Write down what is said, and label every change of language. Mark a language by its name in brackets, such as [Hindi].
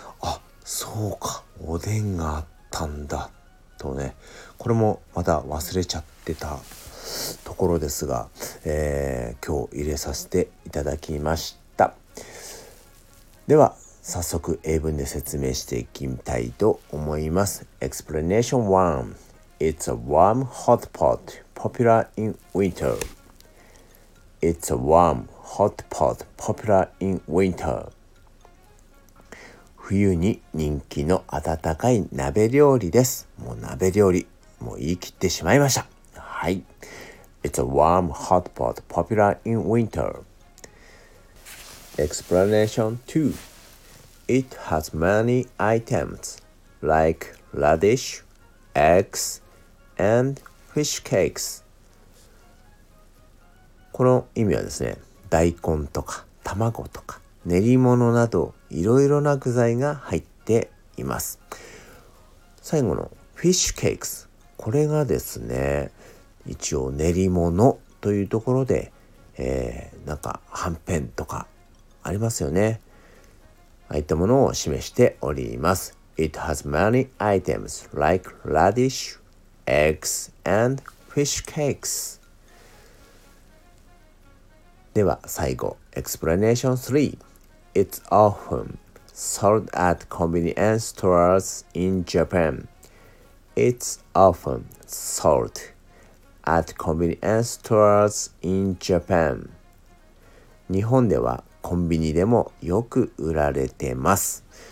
[Japanese] あ、そうか、おでんがあったんだとね。これもまた忘れちゃってたところですが、今日入れさせていただきました。では早速英文で説明していきたいと思います。 [English] Explanation 1. It's a warm hot pot popular in winter. It's a warm hot pot popular in winter. [Japanese] 冬に人気の温かい鍋料理です。もう鍋料理もう言い切ってしまいました。 [English] はい、 It's a warm hot pot popular in winter. Explanation 2. It has many items like radish, eggs, and fish cakes. [Japanese] この意味はですね、大根とか卵とか練り物などいろいろな具材が入っています。最後のフィッシュケークス、これがですね、一応練り物というところで、なんかはんぺんとかありますよね。あいったものを示しております。 [English] It has many items like radish, eggs, and fish cakes. では最後、Explanation 3. It's often sold at convenience stores in Japan. It's often sold at convenience stores in Japan. [Japanese] 日本ではコンビニでもよく売られてます。